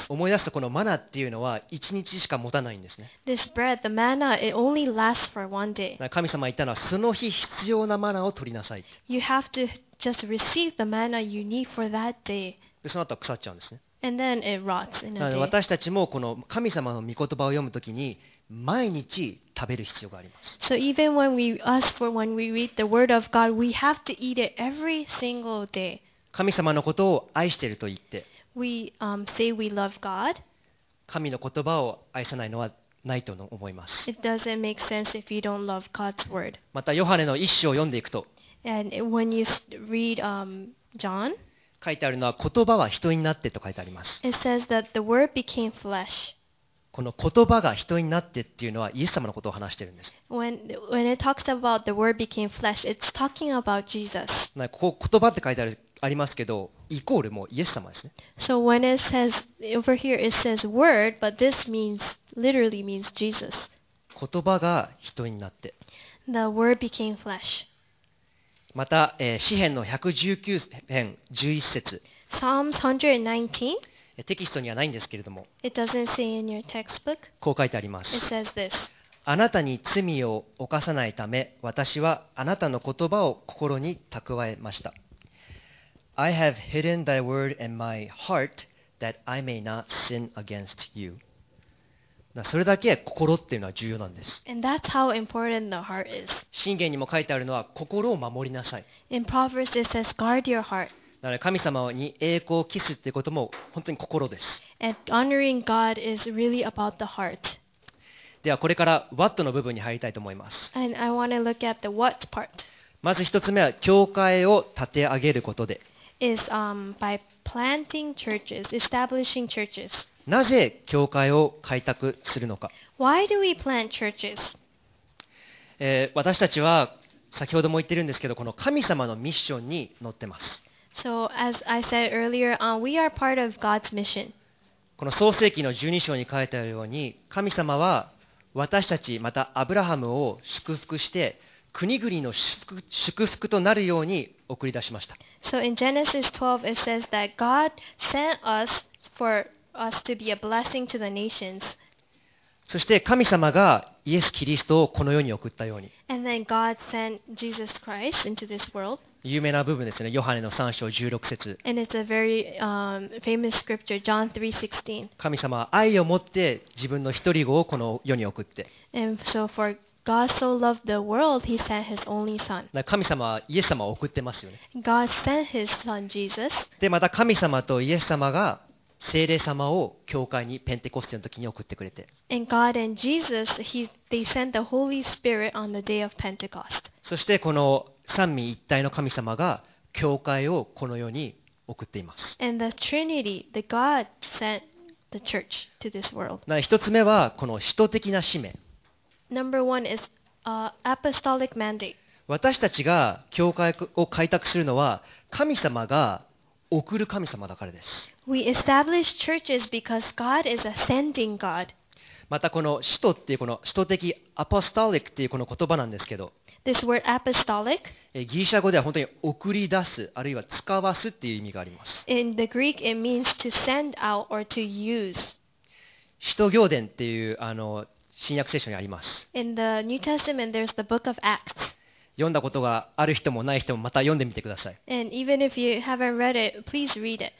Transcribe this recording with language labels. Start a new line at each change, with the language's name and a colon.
Japanese: 思い出すとこのマナっていうのは1日しか持たないんですね。
English: This bread, the manna, it only lasts for one day.
Japanese: 神様言ったのはその日必要なマナを取りなさい。
English: You have toJust receive the manna you need for that day.
Japanese: で、その後は腐っちゃうんですね。
English: And then it rots in a day.
Japanese: 私たちもこの神様の御言葉を読むときに毎日食べる必要があります。
English: So even when we ask for when we read the word of God, we have to eat it every single day.
Japanese: 神様のことを愛していると言って、
English: We say we love God.
Japanese: 神の言葉を愛さないのはないと思います。
English: It doesn't make sense if you don't love God's word.
Japanese: またヨハネの一章を読んでいくと、
English: And when you read John,
Japanese: 書いてあるのは言葉は人になってと書いてあります。
English: It says that the word became flesh.
Japanese: この言葉が人になってっていうのはイエス様のことを話しているんです。
English: when it talks about the word became flesh, it's talking about Jesus.
Japanese: ここ言葉って書いてありますけど、イコールもうイエス様ですね。
English: So when it says, over here it says word, but this means, literally means Jesus.
Japanese: 言葉が人になって。
English: The word became flesh.
Japanese: また、詩編の119編11節。
English: Psalms 119?
Japanese: テキストにはないんですけれども。
English: It doesn't say in your textbook.
Japanese: こう書いてあります。
English: It says this.
Japanese: あなたに罪を犯さないため、私はあなたの言葉を心に蓄えました。
English: I have hidden thy word in my heart that I may not sin against you.
Japanese: それだけ心っていうのは重要なんです。
English: And that's how important the heart is.
Japanese: 箴言にも書いてあるのは心を守りなさい。
English: In Proverbs it says, guard your heart.
Japanese: だから神様に栄光を期すっていうことも本当に心です。
English: And honoring God is really about the heart.
Japanese: ではこれから What の部分に入りたいと思います。
English: And I want to look at the What part.
Japanese: まず一つ目は教会を立て上げることで。
English: Is by planting churches, establishing churches.
Japanese: なぜ教会を開拓するのか。
English: Why do we plant churches?
Japanese: 私たちは先ほども言ってるんですけど、この神様のミッションに乗ってます。
English: So, as I said earlier, we are part of God's mission.
Japanese: この創世記の12章に書いてあるように、神様は私たち、またアブラハムを祝福して、国々の祝福となるように送り出しました。
English: So, in Genesis 12, it says that God sent us forUs to be a blessing to the nations.
Japanese: そして神様がイエス・キリストをこの世に送ったように。
English: And then God sent Jesus Christ into this world.
Japanese: 有名な部分ですね。ヨハネの3章16節。
English: And it's a very famous scripture, John 3:16.
Japanese: 神様は愛を持って自分の一人子をこの世に送って。
English: And so for God so loved the world, He sent His only Son.
Japanese: 神様はイエス様を送ってますよね。
English: God sent His Son Jesus.
Japanese: でまた神様とイエス様が聖霊様を教会にペンテコステの時に送ってくれて。
English: And God and Jesus, they sent the Holy Spirit on the day of Pentecost.
Japanese: そしてこの三位一体の神様が教会をこの世に送っています。
English: And the Trinity, the God sent the church to this world.
Japanese: 一つ目はこの使徒的な使命。
English: Number one is apostolic mandate.
Japanese: 私たちが教会を開拓するのは神様が送る神様だからです。
English: We establish churches because God is a sending God.
Japanese: またこの使徒っていうこの使徒的 apostolic っていうこの言葉なんですけど、
English: This word apostolic,
Japanese: ギリシャ語では本当に送り出すあるいは使わすっていう意味があります。
English: In the Greek, it means to send out or to use.
Japanese: 使徒行伝っていうあの新約聖書にあります。
English: In the New Testament, there's the Book of Acts.
Japanese: 読んだことがある人もない人もまた読んでみてください。
English: And even if you haven't read it, please read it.